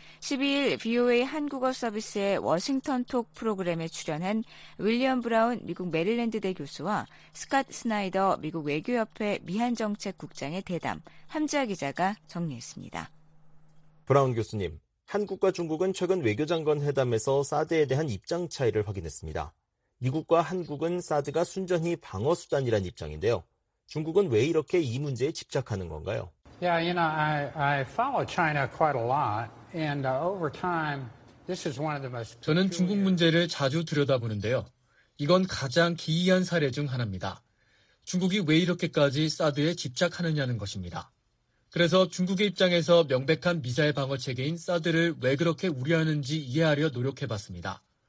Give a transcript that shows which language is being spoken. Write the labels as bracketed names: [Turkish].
[Korean] 12일 VOA 한국어 서비스의 워싱턴 톡 프로그램에 출연한 윌리엄 브라운 미국 메릴랜드대 교수와 스캇 스나이더 미국 외교협회 미한정책국장의 대담, 함지아 기자가 정리했습니다. 브라운 교수님, 한국과 중국은 최근 외교장관 회담에서 사드에 대한 입장 차이를 확인했습니다. 미국과 한국은 사드가 순전히 방어수단이란 입장인데요. 중국은 왜 이렇게 이 문제에 집착하는 건가요? [English] Yeah, you know, I follow China quite a lot. And over time, this is one of the most... [Korean] 저는 중국 문제를 자주 들여다보는데요. 이건 가장 기이한 사례 중 하나입니다. 중국이 왜 이렇게까지 사드에 집착하느냐는 것입니다. 그래서 중국의 입장에서 명백한 미사일 방어 체계인 사드를 왜 그렇게 우려하는지 이해하려 노력해봤습니다.